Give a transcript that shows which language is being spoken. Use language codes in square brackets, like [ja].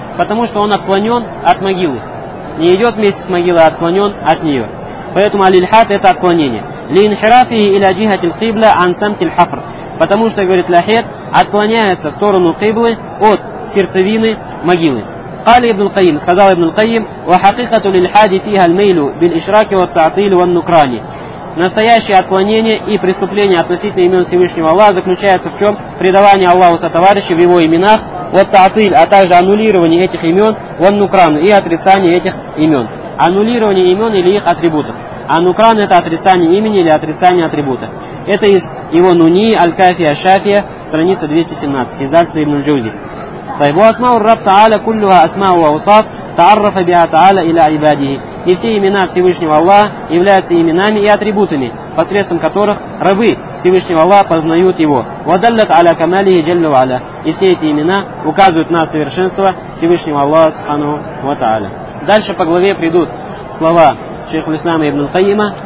[ru] Потому что он отклонен от могилы. Не идет вместе с могилой, а отклонен от нее. Поэтому алильхат – это отклонение. [ar] Линхирафии или аджихатиль кибла ансамтиль хафр. [ru] Потому что, говорит лахет, отклоняется в сторону киблы от сердцевины могилы. Кали ибн Каим, сказал ибн Каим, [ar] وَحَقِقَةُ لِلْحَادِ فِيهَا الْمَيْلُ بِالْإِشْرَاكِ وَالْتَعْطِيلُ وَالنُّكْرَانِ. [ru] Настоящее отклонение и преступление относительно имен Всевышнего Аллаха заключается в чем? Предавание Аллаху сотоварища в его именах, وَالتَعْطِيلُ, а также аннулирование этих имен, وَالنُّكْرَانُ, и отрицание этих имен. Аннулирование имен или их атрибутов. Аннукран – это отрицание имени или отрицание атрибута. Это из его Нуни, Аль-Кафия, Шафия, страница 217, издательство ибн Джузи. [ar] طيب واسماء الرب تعالى كلها اسماء واوصاف تعرف بها تعالى الى عباده. [ru] И все имена Всевышнего Аллаха являются именами и атрибутами, посредством которых рабы Всевышнего Аллаха познают его. [ar] وَدَلَّتْ عَلَى كَمَالِهِ جَلَّ وَعَلَى. [ru] И все эти имена указывают на совершенство Всевышнего Аллаха Субхану ва Тааля. Дальше по главе придут слова шейха Ислама ибн Каима.